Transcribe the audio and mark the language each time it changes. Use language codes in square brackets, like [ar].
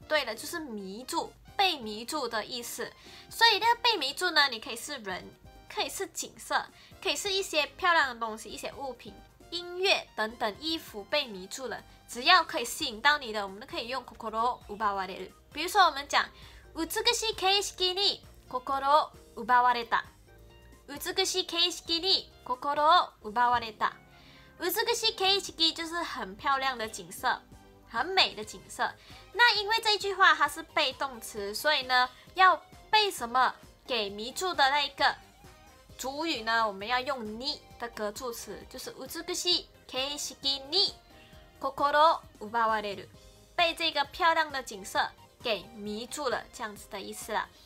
[zh] 对了，就是迷住，被迷住的意思。所以这个被迷住呢，你可以是人，可以是景色，可以是一些漂亮的东西，一些物品。音乐等等，衣服被迷住了，只要可以吸引到你的，我们都可以用 [ja] 心を奪われる。 [zh] 比如说我们讲 [ja] 美しい景色に心を奪われた，美しい景色に心を奪われた。 [zh] 美しい景色就是很漂亮的景色，很美的景色。那因为这句话它是被动词，所以呢要被什么给迷住的那一个主语呢，我们要用に的格助词，就是 [ja] 美しい景色に心を奪われる， [zh] 被这个漂亮的景色给迷住了，这样子的意思啦。